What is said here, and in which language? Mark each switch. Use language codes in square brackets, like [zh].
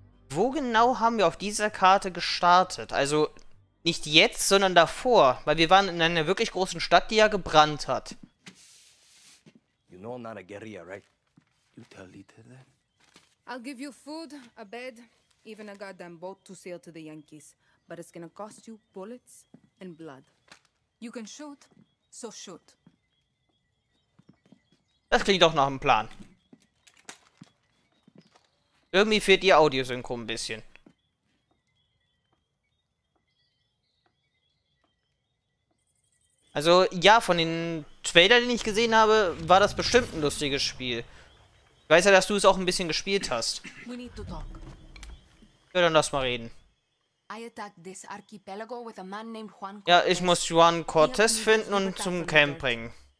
[de] Wo genau haben wir auf dieser Karte gestartet? Also nicht jetzt, sondern davor. Weil wir waren in einer wirklich großen Stadt, die ja gebrannt hat. [en] You know I'm not a guerrilla, right? You tell Lita that? I'll give you food, a bed, even a goddamn boat to sail to the Yankees. But it's gonna cost you bullets and blood. You can shoot, so shoot. [de] Das klingt doch nach einem Plan. Irgendwie fehlt die Audiosynchro ein bisschen. Also, ja, von den Trailer, den ich gesehen habe, war das bestimmt ein lustiges Spiel. Ich weiß ja, dass du es auch ein bisschen gespielt hast. [en] Wir need to talk. [de] Ja, dann lass mal reden. [en] I attacked this archipelago with a man named Juan Cortez. [de] Ja, ich muss Juan Cortez finden und zum Camp bringen.